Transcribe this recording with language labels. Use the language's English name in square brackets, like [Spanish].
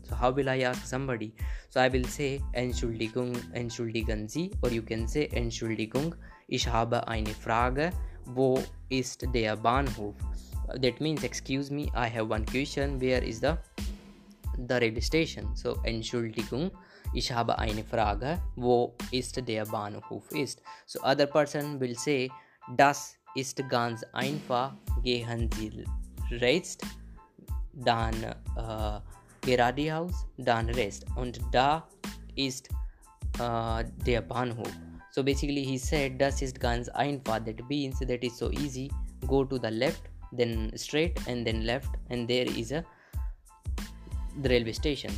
[English] So how will I ask somebody? So I will say [German] Entschuldigung, Entschuldigen Sie, [English] or you can say [German] Entschuldigung, ich habe eine Frage, wo ist der Bahnhof? [English] That means, excuse me, I have one question, where is the railway station? [German] So Entschuldigung, ich habe eine Frage, wo ist der Bahnhof ist? [English] So other person will say, [German] das ist ganz einfach, gehen Sie rechts, dann geradeaus, dann rechts. Und da ist der Bahnhof. [English] So basically he said, [German] das ist ganz einfach, [English] that means that is so easy, go to the left, then straight, and then left, and there is a the railway station.